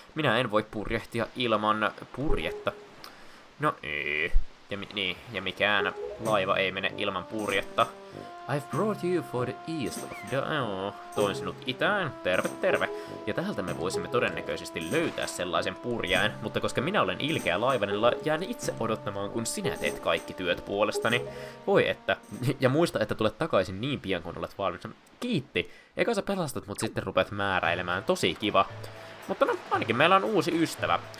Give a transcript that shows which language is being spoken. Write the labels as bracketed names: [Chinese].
[Finnish] Minä en voi purjehtia ilman purjetta. No ei. Ja mikään laiva ei mene ilman purjetta. [English] I've brought you for the east of the... [Finnish] Toin sinut itään. Terve. Ja täältä me voisimme todennäköisesti löytää sellaisen purjeen, mutta koska minä olen ilkeä laivanilla, jään itse odottamaan, kun sinä teet kaikki työt puolestani. Voi että. Ja muista, että tulet takaisin niin pian, kun olet valmis. Kiitti. Eka sä pelastat, mutta sitten rupeat määräilemään. Tosi kiva. Mutta no, ainakin meillä on uusi ystävä.